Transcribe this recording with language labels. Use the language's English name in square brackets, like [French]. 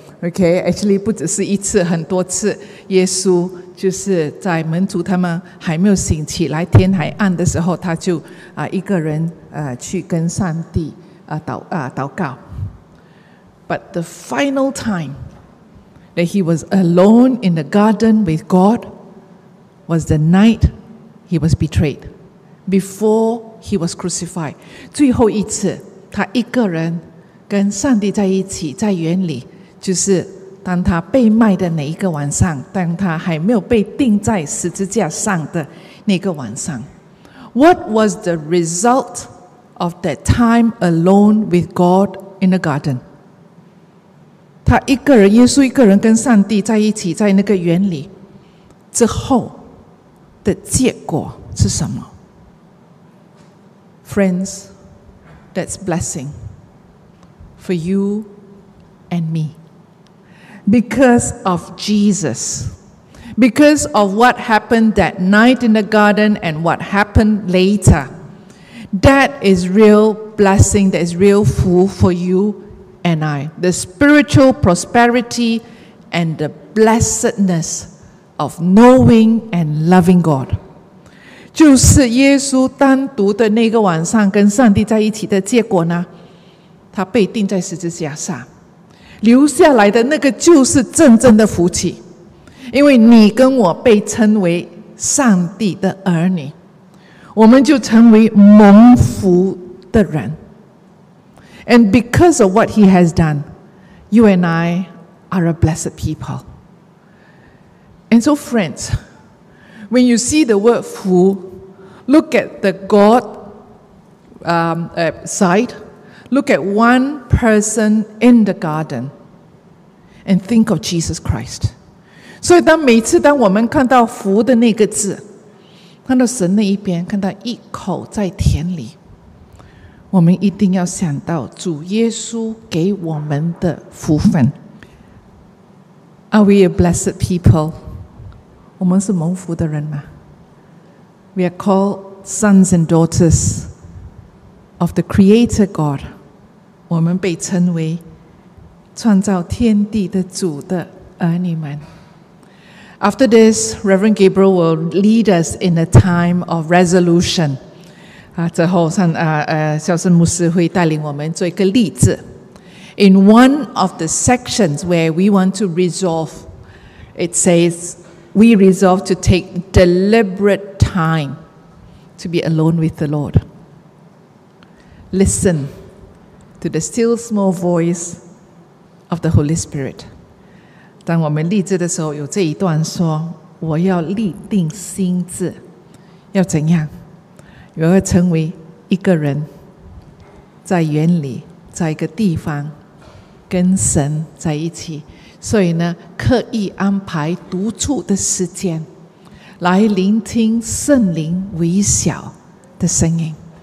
[English] Okay, actually, [Chinese] 不只是一次，很多次。耶稣就是在门徒他们还没有醒起来，天还暗的时候，他就一个人去跟上帝祷告。 [English] But the final time that he was alone in the garden with God was the night he was betrayed, before he was crucified. [Chinese] 最后一次，他一个人跟上帝在一起，在园里，就是当他被卖的那一个晚上，当他还没有被钉在十字架上的那个晚上。 [English] What was the result of that time alone with God in the garden? [Chinese] 他一个人，耶稣一个人跟上帝在一起，在那个园里之后的结果是什么 ？ [English] Friends, that's blessing for you and me because of Jesus, because of what happened that night in the garden and what happened later. That is real blessing. That is real food for you. And I, the spiritual prosperity and the blessedness of knowing and loving God. [Chinese] 就是耶稣单独的那个晚上跟上帝在一起的结果呢，他被钉在十字架上，留下来的那个就是真正的福气，因为你跟我被称为上帝的儿女，我们就成为蒙福的人。 [English] And because of what he has done, you and I are a blessed people. And so friends, when you see the word 福, look at the God side, look at one person in the garden, and think of Jesus Christ. [Chinese] 所以当每次当我们看到福的那个字，看到神那一边，看到一口在田里，我们一定要想到主耶稣给我们的福分。 [English] Are we a blessed people? [Chinese] 我们是蒙福的人吗？ [English] We are called sons and daughters of the Creator God. [Chinese] 我们被称为创造天地的主的儿女们。 [English] After this, Reverend Gabriel will lead us in a time of resolution. [Chinese] 之后肖圣牧师会带领我们做一个例子。 [English] In one of the sections where we want to resolve, it says, we resolve to take deliberate time to be alone with the Lord. Listen to the still small voice of the Holy Spirit. [Chinese] 当我们立志的时候有这一段说，我要立定心志，要怎样？我要成为一个人，在园里，在一个地方，跟神在一起。所以呢，刻意安排独处的时间，来聆听圣灵微小的声音。